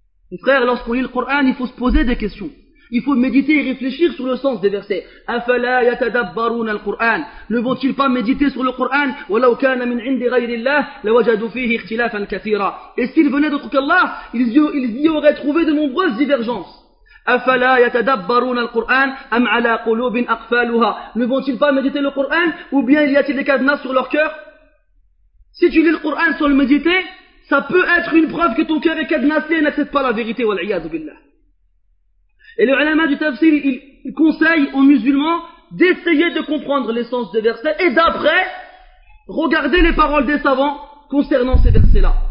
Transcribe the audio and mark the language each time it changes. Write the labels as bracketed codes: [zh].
[fr] Mes frères, lorsqu'on lit le Coran, il faut se poser des questions. Il faut méditer et réfléchir sur le sens des versets. [ar] أَفَلَا يَتَدَبَّرُونَ الْقُرْآنَ. [fr] Ne vont-ils pas méditer sur le Coran? [ar] وَلَوْ كَانَ مِنْ عِنْدِ غَيْرِ اللَّهِ لَوَجَدُوا فِيهِ اخْتِلَافًا كَثِيرًا. [fr] Et s'ils venaient d'autre qu'Allah, ils y auraient trouvé de nombreuses divergences. [ar] أفلا يتدبرون القرآن أم على قلوب أقفالها. [fr] Ne vont-ils pas méditer le Coran, ou bien y a-t-il des cadenas sur leur cœur? Si tu lis le Coran sans le méditer, ça peut être une preuve que ton cœur est cadenassé et n'accepte pas la vérité. Wal'iyadu billah. Et les ulama du tafsir, ils conseillent aux musulmans d'essayer de comprendre l'essence des versets et d'après regarder les paroles des savants concernant ces versets-là.